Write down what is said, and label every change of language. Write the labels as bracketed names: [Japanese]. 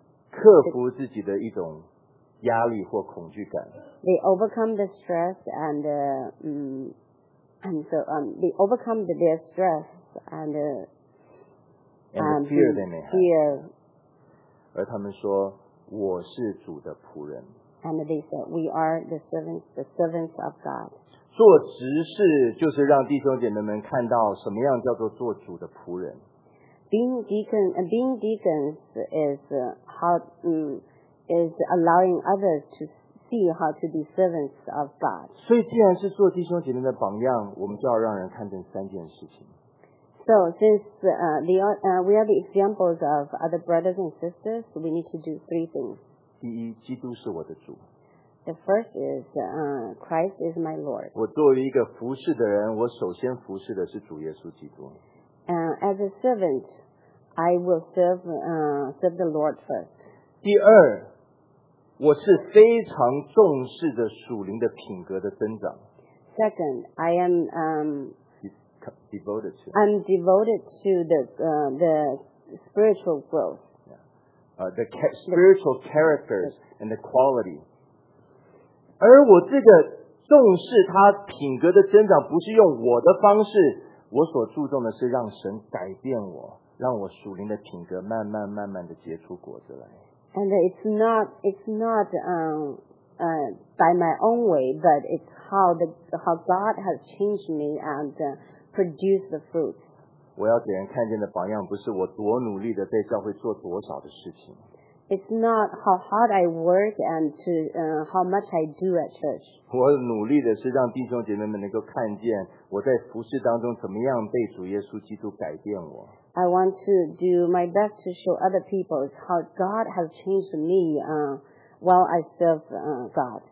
[Chinese] 克服自己的一种压力或恐惧感。 [English] They overcome the stress and they overcome their stress and fear they may have. Fear. [Chinese] 而他们说，我是主的仆人。 [English] And they said, we are the servants of God. [Chinese] 做执事就是让弟兄姐妹们看到什么样叫做做主的仆人。 [English] Being deacons is is allowing others to see how to be servants of God. [Chinese] 所以，既然是做弟兄姐妹的榜样，我们就要让人看见三件事情。 [English] So since we are the examples of other brothers and sisters, we need to do three things. [Chinese] 第一，基督是我的主。 [English] The first is Christ is my Lord. [Chinese] 我作为一个服事的人，我首先服事的是主耶稣基督。 [English] As a servant, I will serve the Lord first. [Chinese] 第二，我是非常重视的属灵的品格的增长。 [English] Second, I am devoted to. I'm devoted to the spiritual growth. The spiritual characters and the quality. [Chinese] 而我这个重视他品格的增长，不是用我的方式。我所注重的是让神改变我，让我属灵的品格慢慢慢慢的结出果子来。 [English] And it's not by my own way, but it's how God has changed me and produced the fruits. [Chinese] 我要给人看见的榜样，不是我多努力的在教会做多少的事情。 [English] It's not how hard I work and to how much I do at church. [Chinese] 我努力的是让弟兄姐妹们能够看见我在服事当中怎么样被主耶稣基督改变我。 [English] I want to do my best to show other people how God has changed me while I serve God.